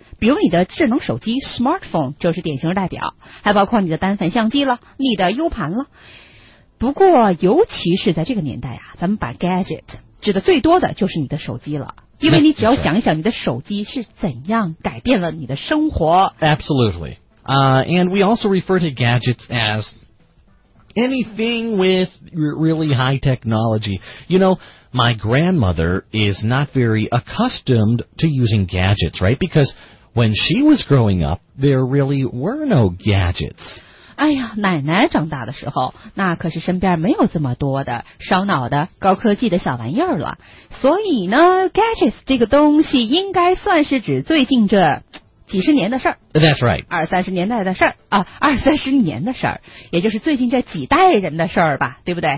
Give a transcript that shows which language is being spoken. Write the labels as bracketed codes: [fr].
[zh] 比如你的智能手机 smartphone 就是典型代表，还包括你的单反相机了、你的 U 盘了。不过，尤其是在这个年代啊，咱们把 gadget。指的最多的就是你的手机了，因为你只要想一想你的手机是怎样改变了你的生活。 [en] Absolutely. And we also refer to gadgets as anything with really high technology. You know, my grandmother is not very accustomed to using gadgets, right? Because when she was growing up, there really were no gadgets. [zh] 哎呀，奶奶长大的时候，那可是身边没有这么多的烧脑的高科技的小玩意儿了。所以呢 ，gadgets 这个东西应该算是指最近这几十年的事儿。 [en] That's right， [zh] 二三十年代的事儿啊，二三十年的事儿，也就是最近这几代人的事儿吧，对不对